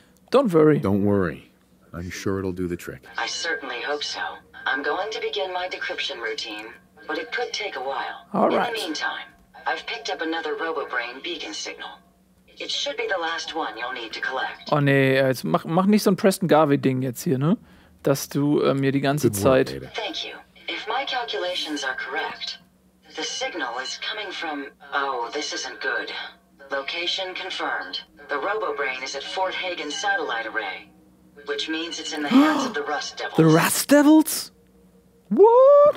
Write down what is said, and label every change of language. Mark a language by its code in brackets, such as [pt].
[en] Don't worry. Don't worry. I'm sure it'll do the trick. I certainly hope so. I'm going to begin my decryption routine. But it could take a while. All right. In the meantime, I've picked up another RoboBrain beacon signal. It should be the last one you'll need to collect. [de] Oh nee, jetzt mach nicht so ein Preston Garvey-Ding jetzt hier, ne? Dass du mir die ganze Zeit... [en] Thank you. If my calculations are correct, the signal is coming from... Oh, this isn't good. Location confirmed. The RoboBrain is at Fort Hagen Satellite Array, which means it's in the hands of the Rust Devils. The Rust Devils? What?